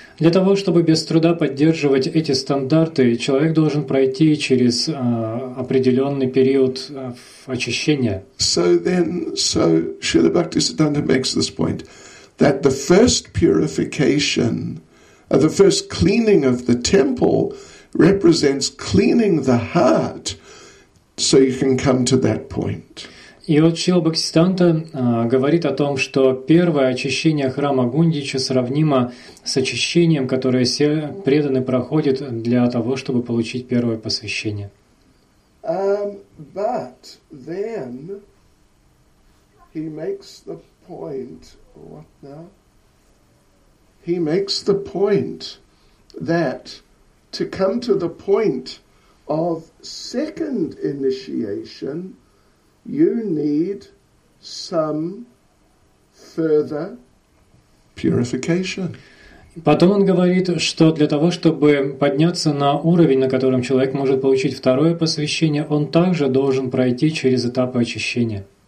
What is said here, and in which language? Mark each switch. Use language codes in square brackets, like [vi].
[ru] Для того, чтобы без труда поддерживать эти стандарты, человек должен пройти через определенный период очищения. [en] So Śrīla Bhaktisiddhānta makes this point, that the first purification, the first cleaning of the temple represents cleaning the heart, so you can come to that point. [ru] И вот Шрила Бхактисиддханта говорит о том, что первое очищение храма Гундича сравнимо с очищением, которое все преданные проходят для того, чтобы получить первое посвящение. [en] But then he makes the point, what now? He makes the point that to come to the point of second initiation, you need some further purification. [ru] Потом он говорит, что для того, чтобы подняться на уровень, на котором человек может получить второе посвящение, он также должен пройти через этапы очищения.